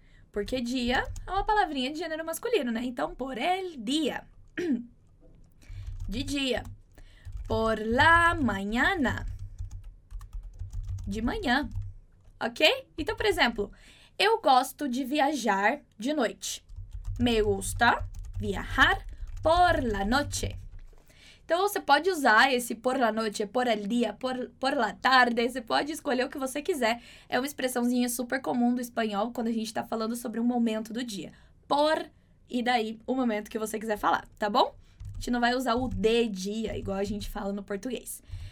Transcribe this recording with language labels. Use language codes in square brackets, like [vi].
[pt] Porque dia é uma palavrinha de gênero masculino, né? Então, [es] por el día. [pt] De dia. [es] por la mañana. [pt] De manhã. [es] Ok? [pt] Então, por exemplo, eu gosto de viajar de noite. [es] Me gusta viajar por la noche. [pt] Então, você pode usar esse [es] por la noche, por el día, por la tarde. [pt] Você pode escolher o que você quiser. É uma expressãozinha super comum do espanhol quando a gente está falando sobre um momento do dia. Por e daí o momento que você quiser falar, tá bom? A gente não vai usar o de dia, igual a gente fala no português.